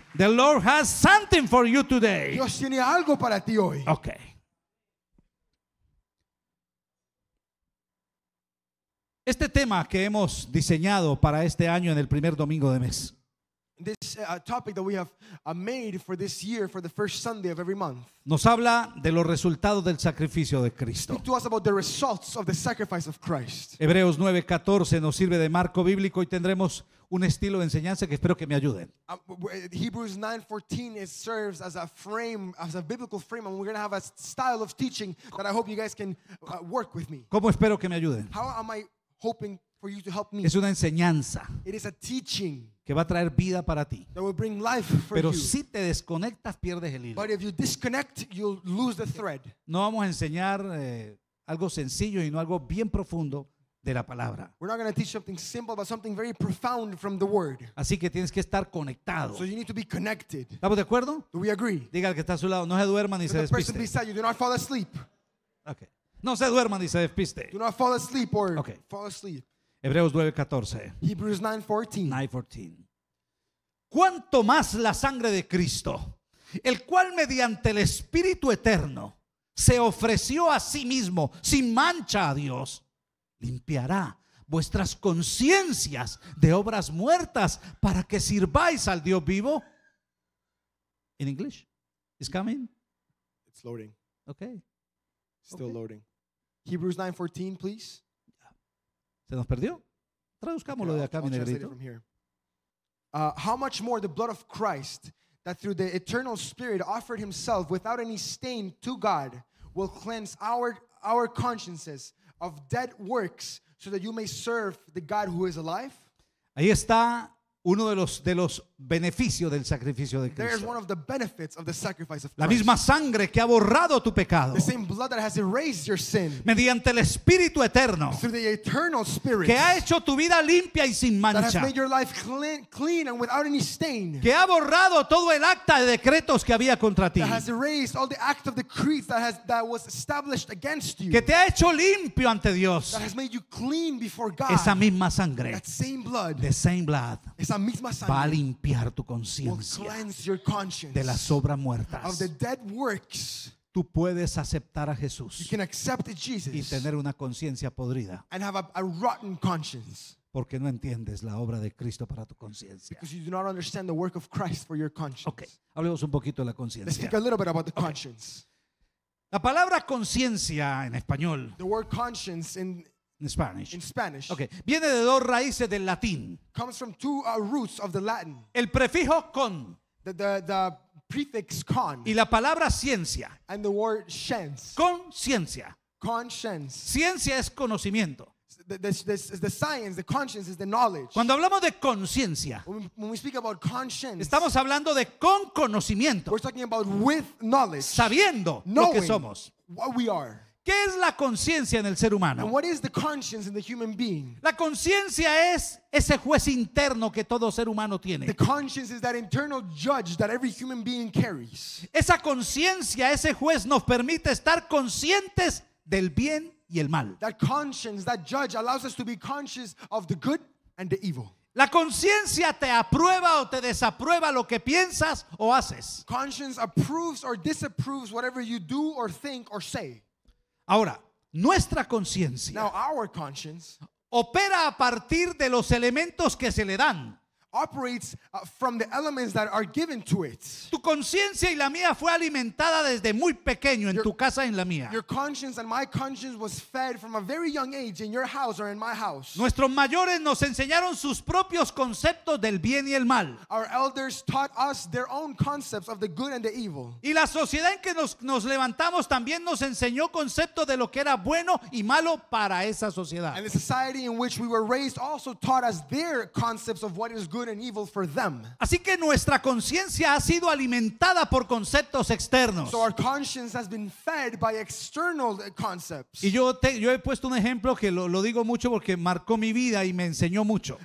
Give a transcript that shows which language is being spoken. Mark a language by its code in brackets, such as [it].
[en] The Lord has something for you today. [es] Dios tiene algo para ti hoy. [en] Okay. [es] Este tema que hemos diseñado para este año en el primer domingo de mes. [en] This topic that we have made for this year for the first Sunday of every month. [es] Nos habla de los resultados del sacrificio de Cristo. [en] Speak to us about the results of the sacrifice of Christ. [es] Hebreos 9:14 nos sirve de marco bíblico y tendremos un estilo de enseñanza que espero que me ayuden. [en] Hebrews 9:14 it serves as a frame, as a biblical frame, and we're going to have a style of teaching that I hope you guys can work with me. [es] ¿Cómo espero que me ayuden? [en] How am I hoping for you to help me? [es] Es una enseñanza. [en] It is a teaching. [es] Que va a traer vida para ti. [en] That will bring life for [es] Pero [en] you. [es] Si te desconectas, pierdes el hilo. [en] But if you disconnect, you'll lose the thread. [es] No vamos a enseñar algo sencillo y no algo bien profundo de la palabra. [en] We're not going to teach something simple, but something very profound from the word. [es] Así que tienes que estar conectado. [en] So you need to be connected. [es] ¿Estamos de acuerdo? [en] Do we agree? [es] Diga al que está a su lado, no se duerma ni [en] to [es] se despiste. [en] The person beside you, do not fall asleep. Okay. [es] No se duerma ni se despiste. [en] Do not fall asleep or okay. fall asleep. [es] Hebreos 9:14. [en] Hebrews 9:14. [es] ¿Cuánto más la sangre de Cristo, el cual mediante el Espíritu Eterno se ofreció a sí mismo sin mancha a Dios, limpiará vuestras conciencias de obras muertas para que sirváis al Dios vivo? [en] In English. It's coming. It's loading. Okay. Still okay. loading. Hebrews 9:14, please. [es] ¿Se nos perdió? Traduzcámoslo de acá, mi negrito. [en] How much more the blood of Christ, that through the eternal Spirit offered himself without any stain to God, will cleanse our consciences of dead works so that you may serve the God who is alive? [es] Ahí está uno de los beneficios del sacrificio de Cristo. [en] There is one of the benefits of the sacrifice of Christ. [es] La misma sangre que ha borrado tu pecado. [en] The same blood that has erased your sin. [es] Mediante el Espíritu Eterno. [en] Through the eternal Spirit. [es] Que ha hecho tu vida limpia y sin mancha. [en] That has made your life clean and without any stain. [es] Que ha borrado todo el acta de decretos que había contra ti. [en] That has erased all the act of decrees that was established against you. [es] Que te ha hecho limpio ante Dios. [en] That has made you clean before God. [es] Esa misma sangre. [en] That same blood. The same blood. [es] Esa misma sangre. Limpiar tu conciencia de las obras muertas. [en] Of the dead works. [es] Tú puedes aceptar a Jesús [en] you can accept Jesus [es] y tener una conciencia podrida [en] and have a rotten conscience. [es] Porque no entiendes la obra de Cristo para tu conciencia. [en] Because you do not understand the work of Christ for your conscience. Okay. [es] Hablemos un poquito de la conciencia. [en] Let's speak a little bit about the okay. conscience. [es] La palabra conciencia en español. [en] The word conscience in Spanish. In Spanish. Okay. [es] Viene de dos raíces del latín. [en] Comes from two roots of the Latin. [es] El prefijo con. [en] The prefix con. [es] Y la palabra ciencia. [en] And the word science. [es] Conciencia. [en] Conscience. [es] Ciencia es conocimiento. [en] This is the science, the conscience is the knowledge. [es] Cuando hablamos de conciencia, [en] when we speak about conscience, [es] estamos hablando de con conocimiento. [en] We're talking about with knowledge. [es] Sabiendo lo que somos. [en] What we are. [es] ¿Qué es la conciencia en el ser humano? [en] And what is the conscience in the human being? [es] La conciencia es ese juez interno que todo ser humano tiene. [en] The conscience is that internal judge that every human being carries. [es] Esa conciencia, ese juez nos permite estar conscientes del bien y el mal. [en] That conscience, that judge allows us to be conscious of the good and the evil. [es] La conciencia te aprueba o te desaprueba lo que piensas o haces. [en] Conscience approves or disapproves whatever you do or think or say. [es] Ahora, nuestra conciencia opera a partir de los elementos que se le dan. [en] Operates from the elements that are given to it. [es] Tu conciencia y la mía fue alimentada desde muy pequeño en tu casa, en la mía. [en] Your conscience and my conscience was fed from a very young age in your house or in my house. [es] Nuestros mayores nos enseñaron sus propios conceptos del bien y el mal. [en] Our elders taught us their own concepts of the good and the evil. [es] Y la sociedad en que nos levantamos también nos enseñó conceptos de lo que era bueno y malo para esa sociedad. [en] And the society in which we were raised also taught us their concepts of what is good and evil for them. [es] Así que nuestra conciencia ha sido alimentada por conceptos externos. [en] So our conscience has been fed by external concepts. [es] Y yo he puesto un ejemplo que lo digo mucho porque marcó mi vida y me enseñó mucho.